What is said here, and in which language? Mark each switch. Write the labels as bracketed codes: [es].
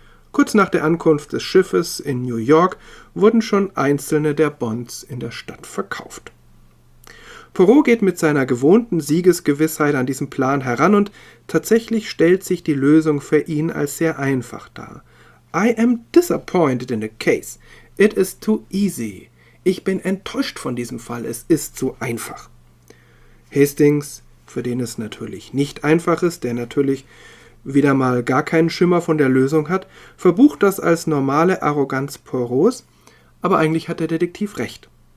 [de] Kurz nach der Ankunft des Schiffes in New York wurden schon einzelne der Bonds in der Stadt verkauft. Poirot geht mit seiner gewohnten Siegesgewissheit an diesen Plan heran und tatsächlich stellt sich die Lösung für ihn als sehr einfach dar. [en] I am disappointed in the case. It is too easy. [de] Ich bin enttäuscht von diesem Fall. Es ist zu einfach. Hastings, für den es natürlich nicht einfach ist, der natürlich wieder mal gar keinen Schimmer von der Lösung hat, verbucht das als normale Arroganz Poirots, aber eigentlich hat der Detektiv recht.